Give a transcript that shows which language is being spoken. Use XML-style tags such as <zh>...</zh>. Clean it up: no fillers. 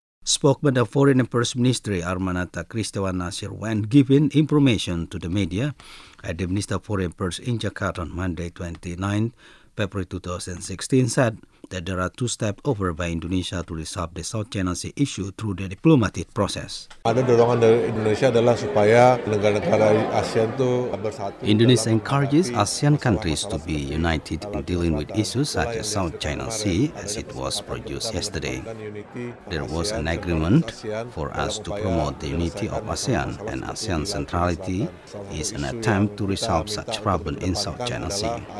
<en>Spokesman of Foreign Affairs Ministry Armanata Kristawan Nasir when giving information to the media at the Minister of Foreign Affairs in Jakarta on Monday 29 February 2016 said that there are two steps offered by Indonesia to resolve the South China Sea issue through the diplomatic process.</en> <id>Ada dorongan dari Indonesia adalah supaya negara-negara ASEAN itu bersatu.</id> <en>Indonesia encourages ASEAN countries to be united in dealing with issues such as South China Sea, as it was produced yesterday. There was an agreement for us to promote the unity of ASEAN, and ASEAN centrality is an attempt to resolve such problem in South China Sea.</en>